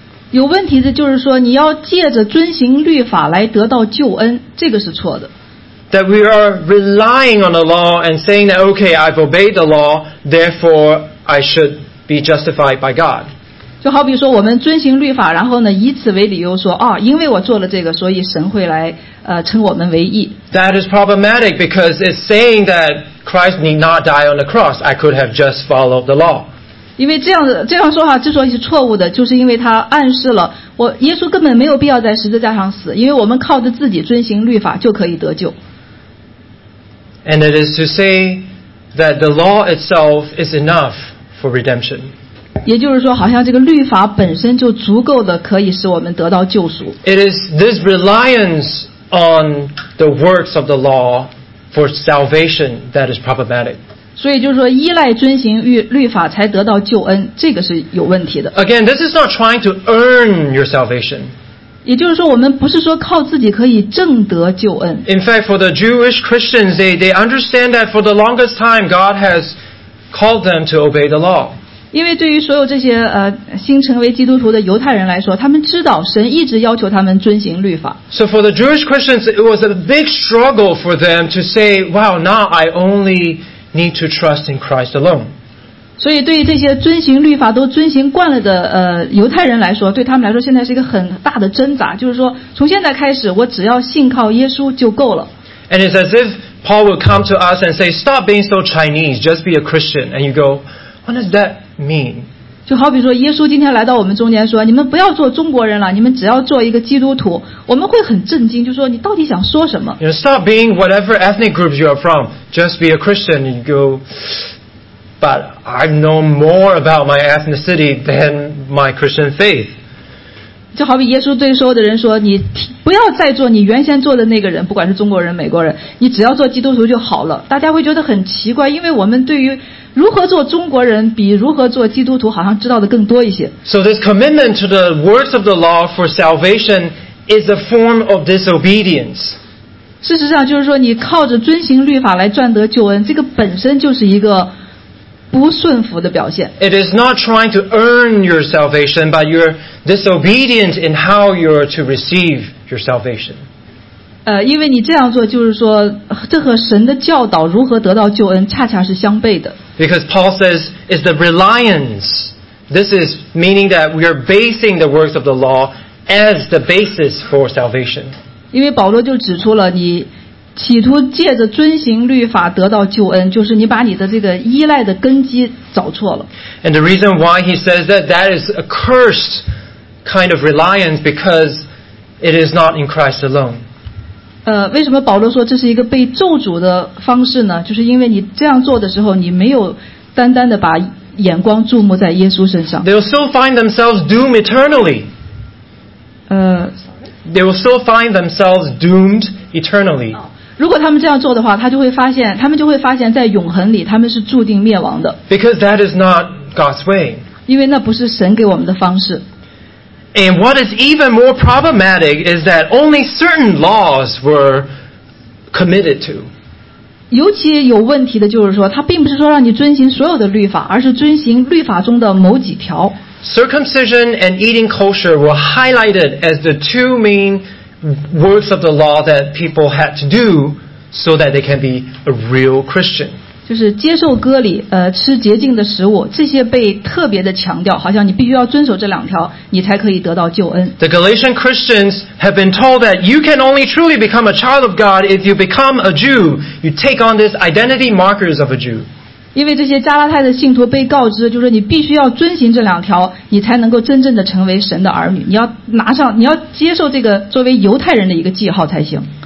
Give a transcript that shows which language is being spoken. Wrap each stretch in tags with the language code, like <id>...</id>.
<zh>有问题的就是说你要借着遵行律法来得到救恩这个是错的。</zh> <en>That we are relying on the law and saying that, okay, I've obeyed the law, therefore I should be justified by God.</en> <zh>就好比说我们遵行律法然后呢以此为理由说、哦、因为我做了这个所以神会来称我们为义。</zh> <en>That is problematic because it's saying that Christ need not die on the cross. I could have just followed the law.</en> <zh>因为这样说话之所以是错误的就是因为他暗示了我耶稣根本没有必要在十字架上死因为我们靠着自己遵行律法就可以得救。</zh> <en>And it is to say that the law itself is enough for redemption.</en> <zh>也就是说，好像这个律法本身就足够的可以使我们得到救赎。</zh> <en>It is this reliance on the works of the law for salvation that is problematic.</en> <zh>所以就是说，依赖遵行律法才得到救恩，这个是有问题的。</zh> <en>Again, this is not trying to earn your salvation.</en> <zh>也就是说我们不是说靠自己可以挣得救恩</zh> <en>In fact for the Jewish Christians they understand that for the longest time God has called them to obey the law</en> <zh>因为对于所有这些新成为基督徒的犹太人来说他们知道神一直要求他们遵行律法</zh> <en>So for the Jewish Christians it was a big struggle for them to say Wow now I only need to trust in Christ alone</en> <zh>所以对于这些遵行律法都遵行惯了的犹太人来说对他们来说现在是一个很大的挣扎就是说从现在开始我只要信靠耶稣就够了</zh> <en>And it's as if Paul would come to us and say Stop being so Chinese, just be a Christian And you go, what does that mean?</en> <zh>就好比说耶稣今天来到我们中间说你们不要做中国人了你们只要做一个基督徒我们会很震惊就说你到底想说什么</zh> <en>you know, Stop being whatever ethnic groups you are from Just be a Christian And you go,But I've known more about my ethnicity than my Christian faith.</en> <zh>就好比耶稣对所有的人说，你不要再做你原先做的那个人，不管是中国人、美国人，你只要做基督徒就好了。大家会觉得很奇怪，因为我们对于如何做中国人比如何做基督徒好像知道的更多一些。</zh> <en>So this commitment to the works of the law for salvation is a form of disobedience.</en> <zh>事实上，就是说你靠着遵行律法来赚得救恩，这个本身就是一个。不顺服的表现</zh> <en>It is not trying to earn your salvation, but you're disobedient in how you're to receive your salvation.</en> <zh>因为你这样做就是说，这和神的教导如何得到救恩恰恰是相悖的。</zh> <en>Because Paul says, it's the reliance. This is meaning that we are basing the works of the law as the basis for salvation.</en> <zh>因为保罗就指出了你企图借着遵行律法得到救恩就是你把你的这个依赖的根基找错了</zh> <en>And the reason why he says that that is a cursed kind of reliance because it is not in Christ alone</en> <zh>为什么保罗说这是一个被咒诅的方式呢就是因为你这样做的时候你没有单单的把眼光注目在耶稣身上</zh> <en>They will still find themselves doomed eternally They will still find themselves doomed eternally</en> <zh>如果他们这样做的话，他们就会发现在永恒里他们是注定灭亡的。</zh> <en>Because that is not God's way.</en> <zh>因为那不是神给我们的方式。</zh> <en>And what is even more problematic is that only certain laws were committed to.</en> <zh>尤其有问题的就是说，他并不是说让你遵行所有的律法，而是遵行律法中的某几条。</zh> <en>Circumcision and eating kosher were highlighted as the two main. Works of the law that people had to do so that they can be a real Christian.</en> <zh>就是接受割礼，吃洁净的食物，这些被特别的强调，好像你必须要遵守这两条，你才可以得到救恩。</zh> <en>The Galatian Christians have been told that you can only truly become a child of God if you become a Jew. You take on this identity markers of a Jew.</en> <zh>因为这些加拉太的信徒被告知，就是你必须要遵循这两条，你才能够真正的成为神的儿女。你要拿上，你要接受这个作为犹太人的一个记号才行。</zh>